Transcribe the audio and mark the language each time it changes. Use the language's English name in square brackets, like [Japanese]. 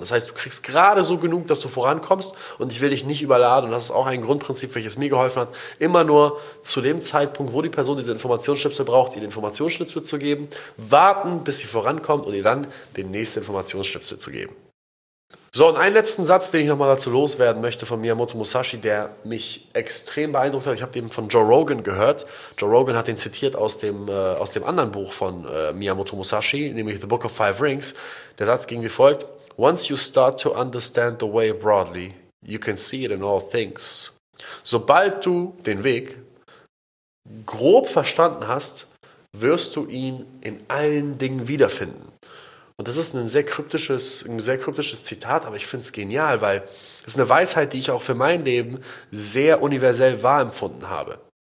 [German] Das heißt, du kriegst gerade so genug, dass du vorankommst, und ich will dich nicht überladen. Und das ist auch ein Grundprinzip, welches mir geholfen hat, immer nur zu dem Zeitpunkt, wo die Person diese Informationsschnipsel braucht, ihr den Informationsschnipsel zu geben, warten, bis sie vorankommt, und ihr dann den nächsten Informationsschnipsel zu geben. So, und einen letzten Satz, den ich nochmal dazu loswerden möchte von Miyamoto Musashi, der mich extrem beeindruckt hat. Ich habe den von Joe Rogan gehört. Joe Rogan hat den zitiert aus dem anderen Buch von Miyamoto Musashi, nämlich The Book of Five Rings. Der Satz ging wie folgt. [English] Once you start to understand the way broadly, you can see it in all things. [German] Sobald du den Weg grob verstanden hast, wirst du ihn in allen Dingen wiederfinden. Und das ist ein sehr kryptisches Zitat, aber ich finde es genial, weil es ist eine Weisheit, die ich auch für mein Leben sehr universell wahr empfunden habe.